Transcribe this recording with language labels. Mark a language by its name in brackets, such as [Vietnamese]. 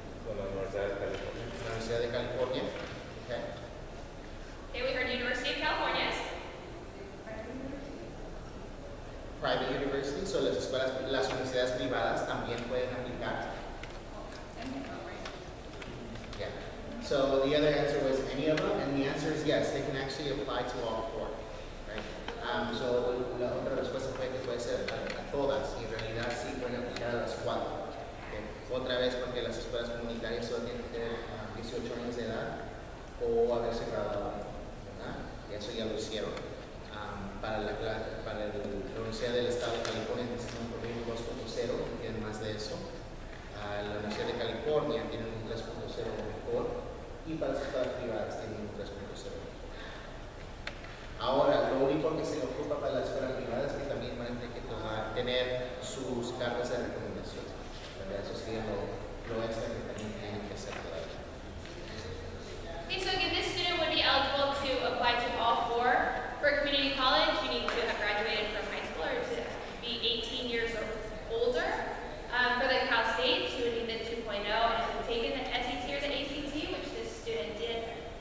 [Spanish] Con la Universidad de California. Universidad de California. [English] Okay, we heard University of California. Private universities, [Spanish] so las escuelas, las universidades privadas también pueden aplicar. [English] Yeah. So the other answer was any of them, and the answer is yes, they can actually apply to all four. Right? [Spanish] So la otra respuesta fue que puede ser a todas, y en realidad sí pueden aplicar a las cuatro. Okay. Otra vez porque las escuelas comunitarias solo tienen que tener 18 años de edad o haberse graduado. Eso ya lo hicieron. Para la Universidad del Estado de California necesitan un promedio 2.0, y además de eso, la Universidad de California tiene un 3.0 mejor, y para las escuelas privadas tienen un 3.0 mejor. Ahora, lo único que se ocupa para las escuelas privadas es que también van a tener que tener sus cartas de recomendación. ¿Verdad? Eso sería lo extra que también tienen que hacer todavía. [English] Okay, so again, this student would be eligible to apply to all four. For community college, you need to have graduated from high school or to be 18 years or older. For the Cal State, you would need the 2.0 and have taken the SAT or the ACT, which this student did.